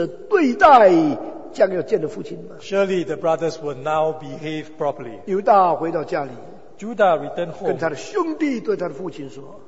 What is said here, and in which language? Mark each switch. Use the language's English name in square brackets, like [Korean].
[Chinese] 所以这些兄弟还敢不用诚实对待将要见的父亲吗? [English] Surely the brothers will now behave properly. [Chinese] 犹大回到家里, [English] Judah returned home, [Chinese] 跟他的兄弟对他的父亲说,